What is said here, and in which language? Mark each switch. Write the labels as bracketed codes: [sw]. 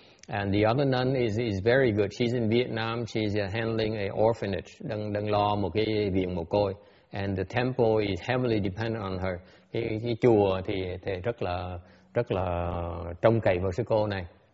[en] And the other nun is very good. She's in Vietnam. She's handling an orphanage. [vi] Đang lo một cái viện mồ côi. [en] And the temple is heavily dependent on her. [vi] Cái chùa thì rất là trông cậy vào sư cô này.